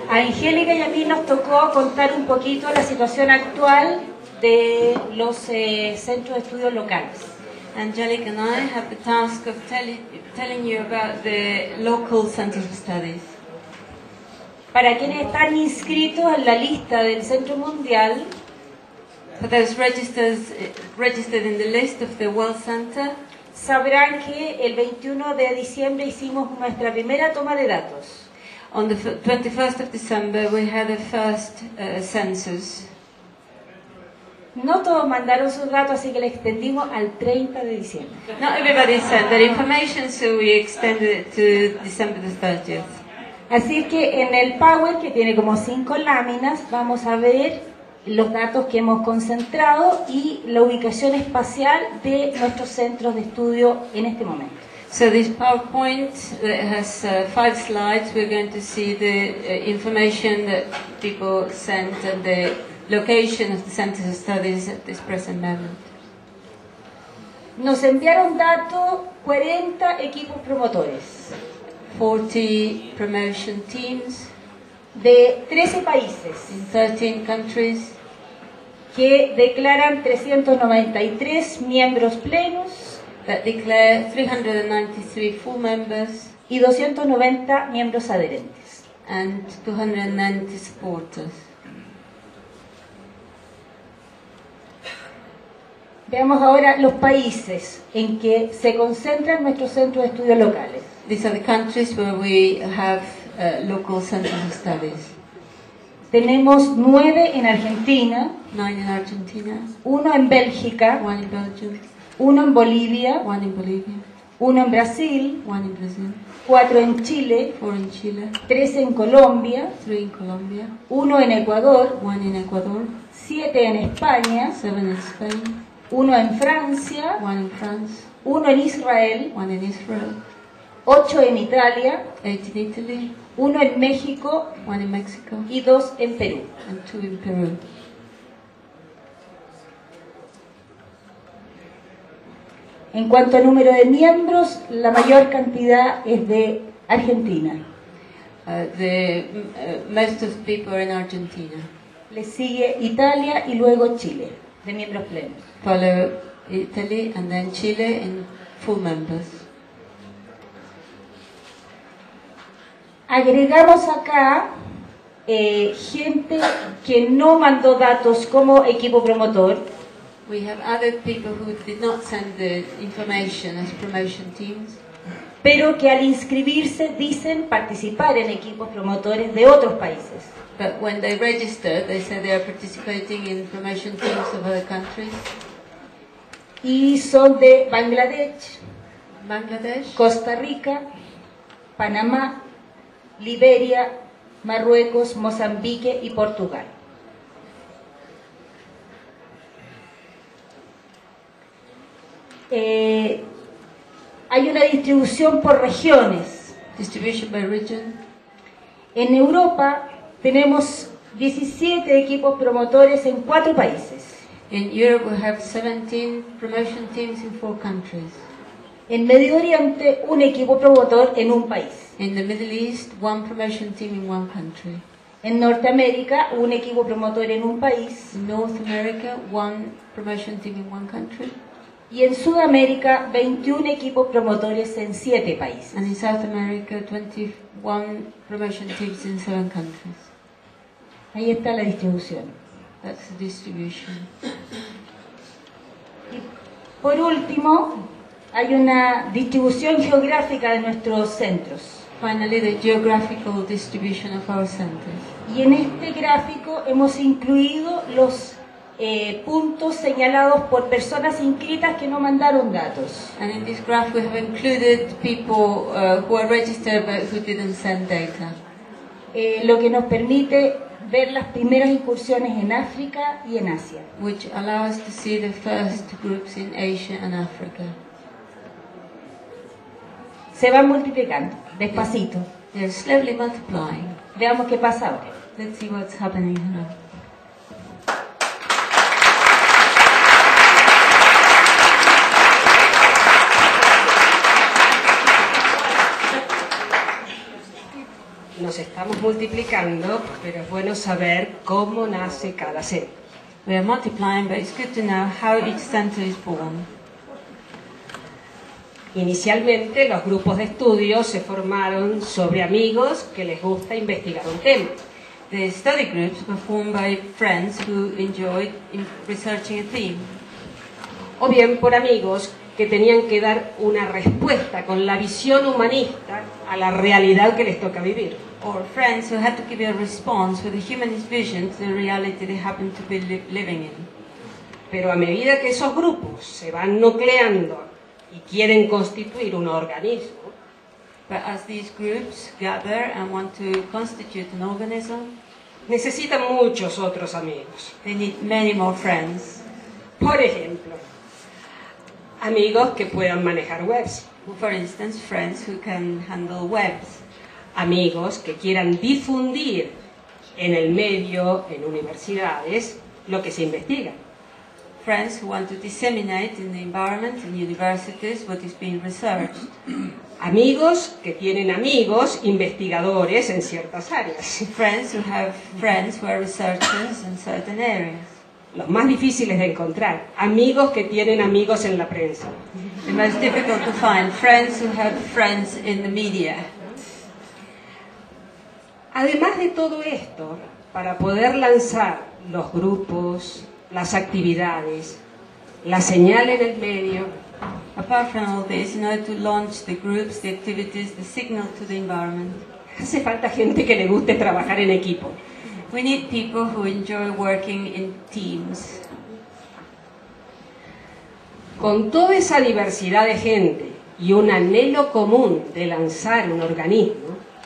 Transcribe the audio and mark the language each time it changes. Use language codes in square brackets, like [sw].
[es] A Angélica y a mí nos tocó contar un poquito la situación actual de los centros de estudios locales. [en] Angélica and I have the task of telling you about the local centers of studies. [es] Para quienes están inscritos en la lista del Centro Mundial. [en] For those registered in the list of the World Center, [es] sabrán que el 21 de diciembre hicimos nuestra primera toma de datos. [en] On the 21st of December, we had a first census. [es] No todos mandaron sus datos, así que le extendimos al 30 de diciembre. [en] Not everybody sent their information, so we extended it to December the 30th. [es] Así que en el PowerPoint, que tiene como 5 láminas, vamos a ver los datos que hemos concentrado y la ubicación espacial de nuestros centros de estudio en este momento. [en] So this PowerPoint that has 5 slides, we're going to see the information that people sent and the location of the centers of studies at this present moment. [es] Nos enviaron datos 40 equipos promotores. [en] 40 promotion teams. [es] De 13 países. [en] In 13 countries. [es] Que declaran 393 miembros plenos. [en] That declare 393 full members. [es] Y 290 miembros adherentes. [en] And 290 supporters. [es] Veamos ahora los países en que se concentran nuestros centros de estudios locales. [en] These are the countries where we have local centers of studies. [es] Tenemos 9 en Argentina, [en] 9 in Argentina, [es] 1 en Bélgica, [en] 1 in Belgium, [es] 1 en Bolivia, [en] 1 in Bolivia, [es] 1 en Brasil, [en] 1 in Brazil, [es] 4 en Chile, [en] 4 in Chile, [es] 3 en Colombia, [en] 3 in Colombia, [es] 1 en Ecuador, [en] 1 in Ecuador, [es] 7 en España, [en] 7 in Spain, [es] 1 en Francia, [en] 1 in France, [es] 1 en Israel, [en] 1 in Israel, [es] 8 en Italia, [en] 8 in Italy, [es] 1 en México, [en] 1 in Mexico, [es] y 2 en Perú, [en] and 2 in Peru. [es] En cuanto al número de miembros, la mayor cantidad es de Argentina. [en] most of people in Argentina. [es] Le sigue Italia y luego Chile, de miembros plenos. [en] Follow Italy and then Chile in full members. [es] Agregamos acá gente que no mandó datos como equipo promotor. [en] We have added people who did not send the information as promotion teams. [es] Pero que al inscribirse dicen participar en equipos promotores de otros países. [en] But when they register, they say they are participating in promotion teams of other countries. [es] Y son de Bangladesh, Costa Rica, Panamá, Liberia, Marruecos, Mozambique y Portugal. Hay una distribución por regiones. [en] Distribution by region. [es] En Europa tenemos 17 equipos promotores en 4 países. [en] In Europe we have 17 promotion teams in 4 countries. [es] En Medio Oriente un equipo promotor en un país. [en] In the Middle East one promotion team in one country. [es] En Norteamérica un equipo promotor en un país. [en] In North America one promotion team in one country. [es] Y en Sudamérica 21 equipos promotores en 7 países. [en] And in South America 21 promotion teams in 7 countries. [es] Ahí está la distribución. [en] That's the distribution. [es] Y por último, hay una distribución geográfica de nuestros centros. [en] Finally, the geographical distribution of our centers. [es] Y en este gráfico hemos incluido los puntos señalados por personas inscritas que no mandaron datos. [en] And in this graph we have included people who are registered but who didn't send data. [es] Lo que nos permite ver las primeras incursiones en África y en Asia. [en] Which allows us to see the first groups in Asia and Africa. [es] Se van multiplicando, despacito. [en] They're slowly multiplying. [es] Veamos qué pasa ahora. [en] Let's see what's happening now. [es] Nos estamos multiplicando, pero es bueno saber cómo nace cada centro. [en] We are multiplying, but it's good to know how each center is born. [es] Inicialmente, los grupos de estudio se formaron sobre amigos que les gusta investigar un tema. [en] The study groups were formed by friends who enjoyed researching a theme. [es] O bien por amigos que tenían que dar una respuesta con la visión humanista a la realidad que les toca vivir. [en] Or friends who had to give a response with a humanist vision to the reality they happen to be living in. [es] Pero a medida que esos grupos se van nucleando y quieren constituir un organismo, [en] but as these groups gather and want to constitute an organism, [es] necesitan muchos otros amigos. [en] They need many more friends. [es] Por ejemplo, amigos que puedan manejar webs. [en] For instance, friends who can handle webs. [es] Amigos que quieran difundir en el medio, en universidades, lo que se investiga. [en] Friends who want to disseminate in the environment, in universities, what is being researched. [es] Amigos que tienen amigos investigadores en ciertas áreas. [en] Friends who have friends who are researchers in certain areas. [es] Los más difíciles de encontrar, amigos que tienen amigos en la prensa. [en] The most difficult to find, friends who have friends in the media. [es] Además de todo esto, para poder lanzar los grupos, las actividades, la señal en el medio. [en] Apart from all this, in order to launch the groups, the activities, the signal to the environment. [es] Hace falta gente que le guste trabajar en equipo. [en] We need people who enjoy working in teams. [es] Con toda esa diversidad de gente y un anhelo común de lanzar un organismo,